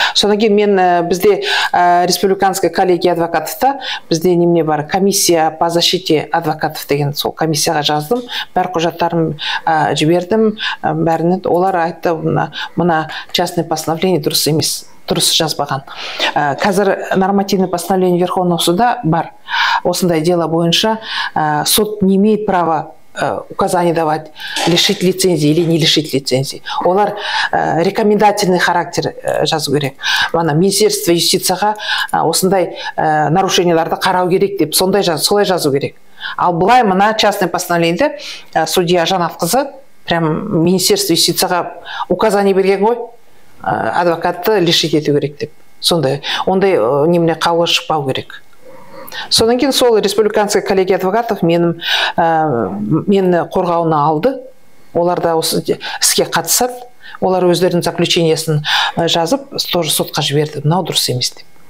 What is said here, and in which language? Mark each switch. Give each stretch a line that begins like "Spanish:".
Kazakh: Сонан кейін мен бізде
Russian: республиканская коллегия
Kazakh: адвокатыта, бізде немене бар
Russian: комиссия по защите адвокатов
Kazakh: деген сол комиссияға жаздым, бәр құжаттарын жібердім, бәрін олар айтты, мына
Russian: частное постановление
Kazakh: дұрыс емес, дұрыс жазбаған. Қазір
Russian: нормативное постановление Верховного суда бар.
Kazakh: Осындай
Russian: дело бойынша сот не имеет права указание давать, лишить лицензии или не лишить лицензии.
Kazakh: Олар
Russian: рекомендательный характер
Kazakh: жазу керек. Вана министерство юстицияға осындай нарушениеларды қарау керек деп, солай жазу керек. Ал былай мына
Russian: частное постановление
Kazakh: судья Жанатқызы прям министерство юстицияға указание берген ғой, адвокатты лишить ету керек деп. Сондай, ондай немене қаулы шықпау керек. Содан кейін сол
Russian: республиканская коллегия адвокатов
Kazakh: мені қорғауына алды. Олар да осы іске қатысады. Олар өздерінің заключениесін жазып, тоже сотқа жіберді. Мынау дұрыс емес деп.